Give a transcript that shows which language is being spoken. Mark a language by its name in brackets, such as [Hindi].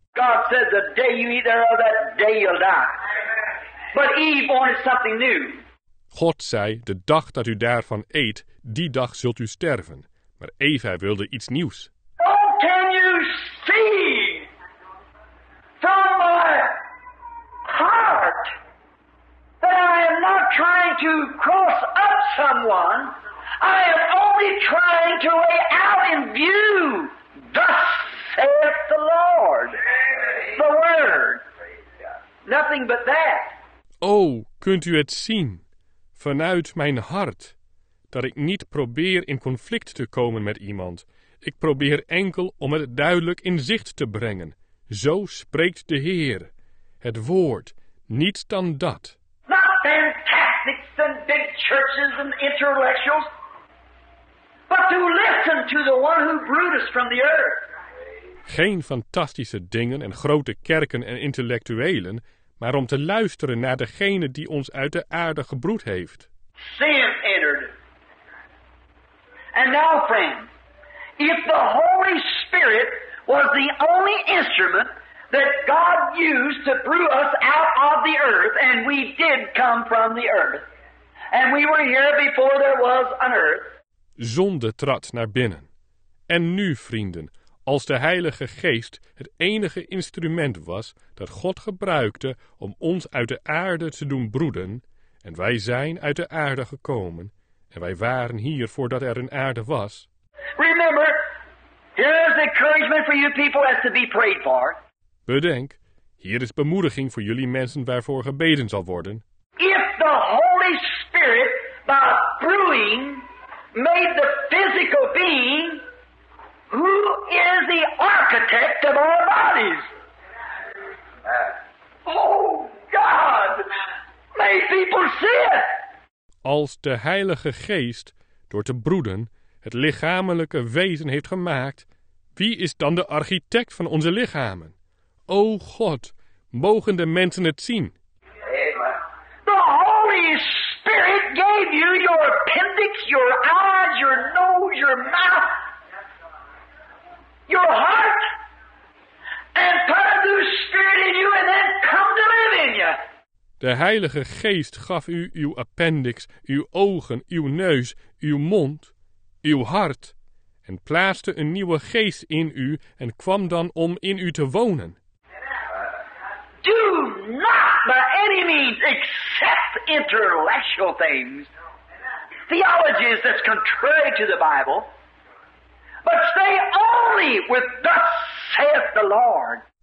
[English] God said the day you eat thereof, that day you'll die. But Eve wanted something new. [Dutch] God zei, de dag dat u daarvan eet, die dag zult u sterven. Maar Eva wilde iets nieuws. [English] Oh, can you see from my heart? That I am not trying to cross up someone. I am only trying to lay out in view. Thus saith the Lord. The Word. Nothing but that. [Dutch] O, kunt u het zien? Vanuit mijn hart. Dat ik niet probeer in conflict te komen met iemand. Ik probeer enkel om het duidelijk in zicht te brengen. Zo spreekt de Heer. Het Woord. Niets dan dat. [English] Fantastics and big churches and intellectuals, but to listen to the one who brewed us from the earth. [Dutch] Geen fantastische dingen en grote kerken en intellectuelen, maar om te luisteren naar degene die ons uit de aarde gebroed heeft. [English] Sin entered. And now, friend, if the Holy Spirit was the only instrument that God used to brew us out of the earth, and we did come from the earth. And we were here before there was an earth. [Dutch] Zonde trad naar binnen. En nu, vrienden, als de Heilige Geest het enige instrument was dat God gebruikte om ons uit de aarde te doen broeden, en wij zijn uit de aarde gekomen, en wij waren hier voordat er een aarde was. [English] Remember, Here's the encouragement for you people as to be prayed for. [Dutch] Bedenk, hier is bemoediging voor jullie mensen waarvoor gebeden zal worden. [English] If the Holy Spirit, by brewing, made the physical being, who is the architect of our bodies? Oh, God! May people see it! [Dutch] Als de Heilige Geest, door te broeden, het lichamelijke wezen heeft gemaakt, wie is dan de architect van onze lichamen? O God, mogen de mensen het zien? [English] The Holy Spirit gave you your appendix, your eyes, your nose, your mouth, your heart, and put a new spirit in you and then come to live in you. [Dutch] De Heilige Geest gaf u uw appendix, uw ogen, uw neus, uw mond, uw hart, en plaatste een nieuwe geest in u en kwam dan om in u te wonen. [English] Do not by any means accept intellectual things, theologies that's contrary to the Bible, but stay only with thus saith the Lord.